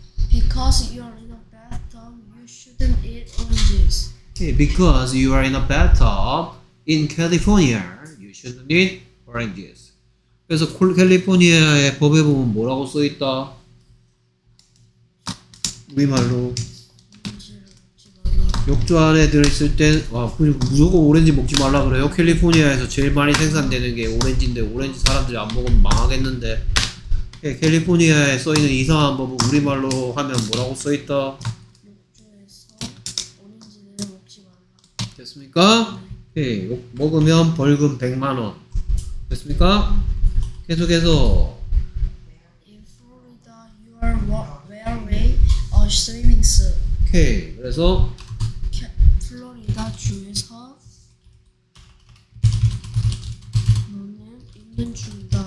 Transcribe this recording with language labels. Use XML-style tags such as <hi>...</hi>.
<en>Because you are in a bathtub, you shouldn't eat oranges. Okay, because you are in a bathtub in California, you shouldn't eat oranges.</en> <ko>그래서 캘리포니아의 법에 보면 뭐라고 써있다? 우리말로 욕조 안에 들어있을 땐 아, 무조건 오렌지 먹지 말라 그래요? 캘리포니아에서 제일 많이 생산되는 게 오렌지인데 오렌지 사람들이 안 먹으면 망하겠는데 캘리포니아에 써있는 이상한 법은 우리말로 하면 뭐라고 써있다? 욕조에서 오렌지를 먹지 말라. 됐습니까? 네. 오케이. 먹으면 벌금 100만원. 됐습니까? 계속해서</ko> <en>In Florida, you are wearing a swimming suit.</en> <ko>오케이. 그래서 플로리다 주에서 너는 있는 중이다.</ko>